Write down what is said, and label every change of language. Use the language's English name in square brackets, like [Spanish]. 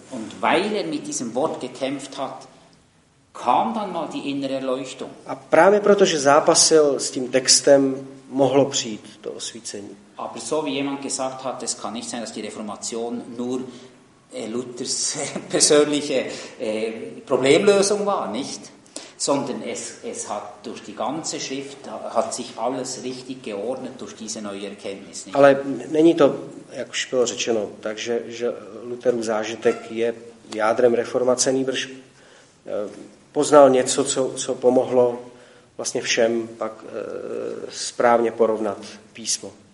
[German] Und weil er mit diesem Wort gekämpft hat, kam dann mal die innere Erleuchtung. [Czech] A právě proto, že zápasil s tím textem, mohlo přijít to osvícení. [German] Aber so wie jemand gesagt hat, es kann nicht sein, dass die Reformation nur Luthers persönliche Problemlösung war, nicht? Sondern es hat durch die ganze Schrift, hat sich alles richtig geordnet durch diese neue Erkenntnis. Nicht? [Czech] Ale není to, jak už bylo řečeno, takže že Lutherův zážitek je jádrem reformace, nýbrž poznal něco, co pomohlo vlastně všem pak správně porovnat písmo.